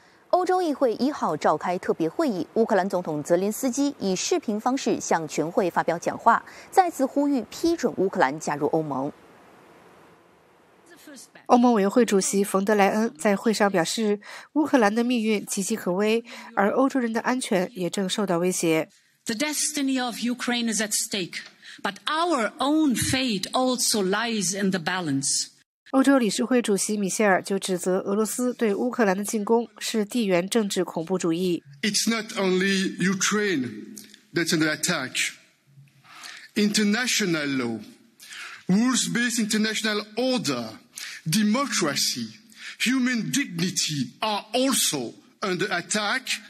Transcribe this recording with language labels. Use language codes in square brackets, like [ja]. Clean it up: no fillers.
[zh] 欧洲议会一号召开特别会议，乌克兰总统泽连斯基以视频方式向全会发表讲话，再次呼吁批准乌克兰加入欧盟。欧盟委员会主席冯德莱恩在会上表示，乌克兰的命运岌岌可危，而欧洲人的安全也正受到威胁。 [en] The destiny of Ukraine is at stake, but our own fate also lies in the balance. [zh] 欧洲理事会主席米歇尔就指责俄罗斯对乌克兰的进攻是地缘政治恐怖主义。 [en] It's not only Ukraine that's under attack. International law, rules-based international order, democracy, human dignity are also under attack.